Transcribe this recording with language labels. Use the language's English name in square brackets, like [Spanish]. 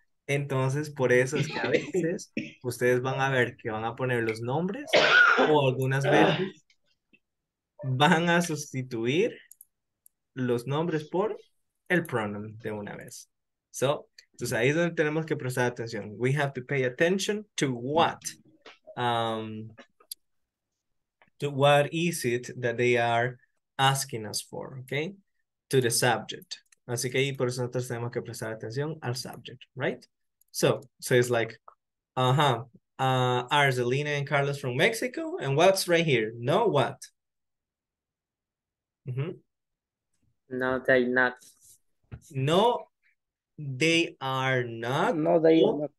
[Spanish] Entonces, por eso es que a veces ustedes van a ver que van a poner los nombres o algunas veces van a sustituir los nombres por el pronombre de una vez. So, entonces ahí es donde tenemos que prestar atención. [English] We have to pay attention to what. To what is it that they are asking us for, okay? To the subject. [Spanish] Así que ahí por eso nosotros tenemos que prestar atención al subject, right? [English] So it's like, are Zelina and Carlos from Mexico? And what's right here? No, what? Mm-hmm. No, they're not. No, they are not. No, they are not.